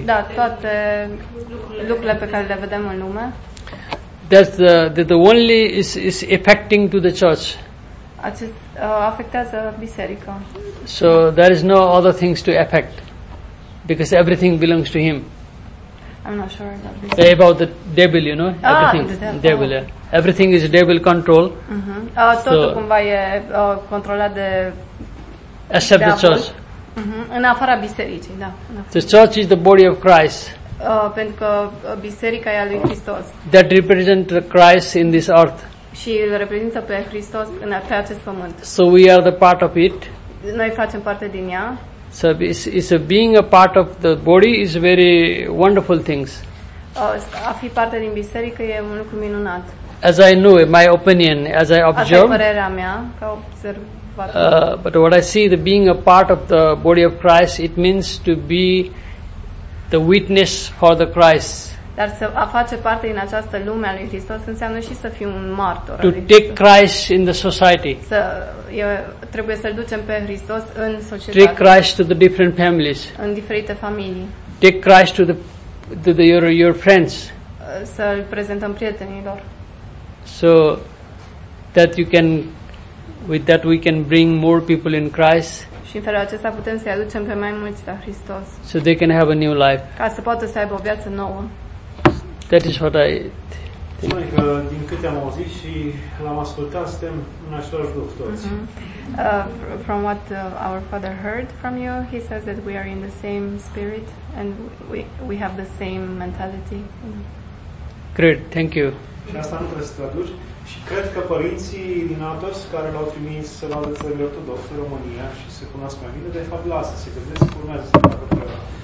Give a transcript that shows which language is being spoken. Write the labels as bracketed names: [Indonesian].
[Romanian] Da, toate lucrurile pe care le vedem în lume. [English] That's the only is affecting to the church. [Romanian] Afectează biserica. [English] So there is no other things to affect, because everything belongs to him. I'm not sure about this. Say about the devil, you know, everything. The devil. Yeah. Everything is devil control. [Romanian] Mm-hmm. Totul cumva e controlat de. [English] Except [Romanian] de [English] the church. [Romanian] Mm-hmm. În afara bisericii, da. [English] The church is the body of Christ. [Romanian] Pentru că biserica e a lui Hristos. [English] That represents Christ in this earth. [Romanian] Și îl reprezintă pe Hristos în acest pământ. [English] So we are the part of it. [Romanian] Noi facem parte din ea. [English] So it's a being a part of the body is very wonderful things. [Romanian] A fi parte din biserică e un lucru minunat. [English] As I know, my opinion, as I observe. [Romanian] Asta e părerea mea, ca observator. [English] But what I see, the being a part of the body of Christ, it means to be the witness for the Christ. [Romanian] Dar să a face parte din această lume a lui Hristos înseamnă și să fii un martor. [English] To take Christ in the society. [Romanian] Trebuie să-l ducem pe Hristos în societate. [English] Take Christ to the different families. [Romanian] În diferite familii. [English] Take Christ to the your friends. [Romanian] Să-l prezentăm prietenilor. [English] So that you can, with that we can bring more people in Christ. [Romanian] Și în felul acesta putem să-i aducem pe mai mulți la Hristos. [English] So they can have a new life. [Romanian] Ca să poată să aibă o viață nouă. [English] That is what I think. [Romanian] Spune că din câte am auzit și l-am ascultat, suntem în același loc toți. [English] From what our father heard from you, he says that we are in the same spirit and we have the same mentality. Great, thank you. [Romanian] Și asta nu trebuie să traduci. Și cred că părinții din Athos care l-au trimis la țările ortodoxe, România, și se cunosc mai bine, de fapt lasă, se gândesc, urmează să facă treaba.